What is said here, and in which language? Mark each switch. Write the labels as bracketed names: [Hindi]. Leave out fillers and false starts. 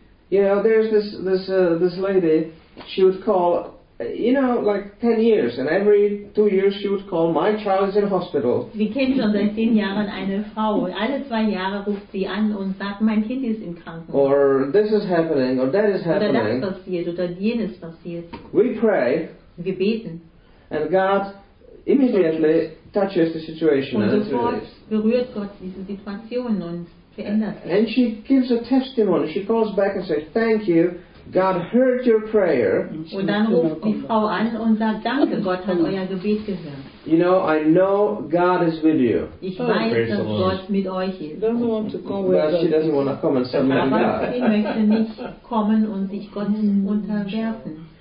[English] Yeah, there's this lady, she would call, you know, like 10 years, and every 2 years she would call, my child is in hospital. [German] Wir kennen schon seit 10 Jahren eine Frau, und alle 2 Jahre ruft sie an und sagt, mein Kind ist im Krankenhaus. [English] Or this is happening, or that is happening. [German] Oder das passiert, oder jenes passiert. [English] We pray. [German] Wir beten. [English] And God immediately touches the situation. [German] Und sofort berührt Gott diese Situation und [English] and she gives a testimony. She calls back and says, thank you. God heard your prayer. [German] Und dann ruft die Frau an und sagt, danke, Gott hat euer Gebet gehört. [English] You know, I know God is with you. [German] Ich weiß, dass Gott mit euch ist. [English] But she doesn't want to come and submit God. [German] Aber sie möchte nicht kommen und sich Gott unterwerfen.